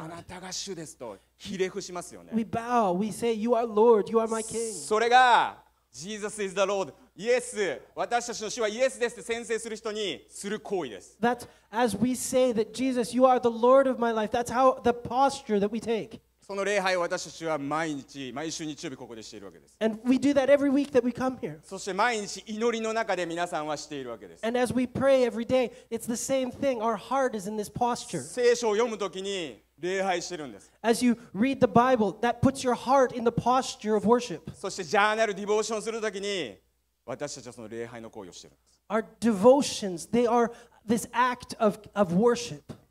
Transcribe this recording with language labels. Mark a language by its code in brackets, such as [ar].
[ja] あなたが主ですとひれ伏しますよね。 [en] We bow, we say, you are Lord, you are my king. [ja] それが、 [en] Jesus is the Lord. [ja] イエス、私たちの主はイエスですって宣誓する人にする行為です。 [en] That's as we say that Jesus, you are the Lord of my life. That's how the posture that we take. [ja] その礼拝を私たちは毎日、毎週日曜日ここでしているわけです。 [en] And we do that every week that we come here. [ja] そして毎日祈りの中で皆さんはしているわけです。 [en] And as we pray every day, it's the same thing. Our heart is in this posture. [ja] 聖書を読むときに礼拝してるんです。 [en] As you read the Bible, that puts your heart in the posture of worship. [ja] そしてジャーナル、ディボーションするときに私たちはその礼拝の行為をしているんです。 [en] Our devotions, they are this act of worship.